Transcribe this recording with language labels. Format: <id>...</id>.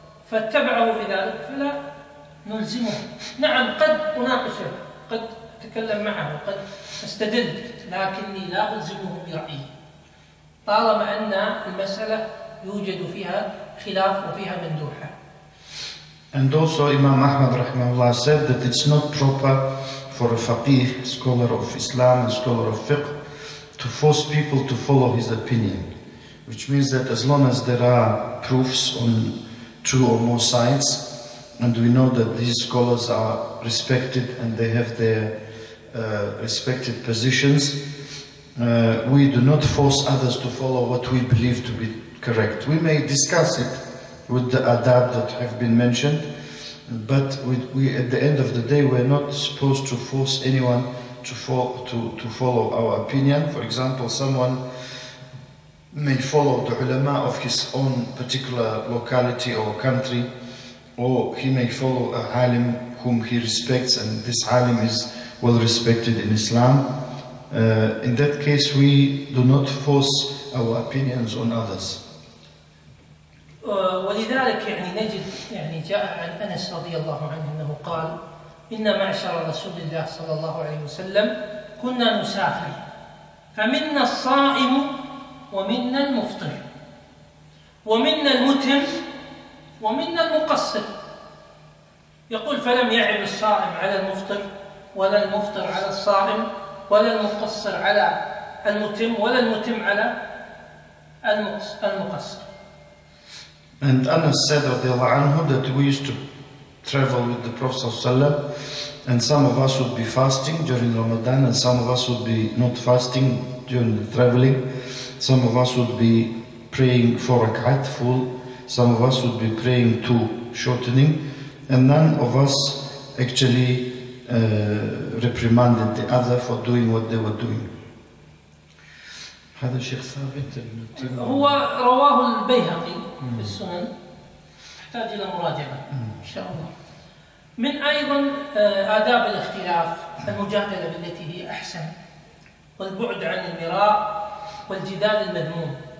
<ar>فاتبعه في ذلك فلا نلزمه نعم قد أناقشه قد أتكلم معه قد أستدل لكني لا ألزمه برأيي طالما أن المسألة يوجد فيها خلاف وفيها مندوحة</ar> <en>And also Imam Ahmad rahimahullah said that it's not proper for a faqih, scholar of Islam and scholar of fiqh, to force people to follow his opinion, which means that as long as there are proofs on two or more sides, and we know that these scholars are respected and they have their respected positions, we do not force others to follow what we believe to be correct. We may discuss it with the adab that have been mentioned, but we at the end of the day, we're not supposed to force anyone to follow our opinion. For example, someone may follow the ulama of his own particular locality or country, or he may follow a alim whom he respects, and this alim is well respected in Islam. In that case, we do not force our opinions on others.</en> <ar>ولذلك يعني نجد يعني جاء عن أنس رضي الله عنه أنه قال إن معشر رسول الله صلى الله عليه وسلم كنا نسافر فمنا الصائم ومنا المفطر ومنا المتم ومنا المقصر يقول فلم يعب الصائم على المفطر ولا المفطر على الصائم ولا المقصر على المتم ولا المتم على المقصر</ar> <en>And Anas said that we used to travel with the Prophet ﷺ, and some of us would be fasting during Ramadan and some of us would be not fasting during the traveling. Some of us would be praying for a rak'at full, some of us would be praying two shortening, and none of us actually reprimanded the other for doing what they were doing.</en> <ar>هذا الشيخ ثابت هو رواه البيهقي في السنن يحتاج إلى مراجعة إن شاء الله من أيضا آداب الاختلاف المجادلة بالتي هي أحسن والبعد عن المراء والجدال المذموم</ar>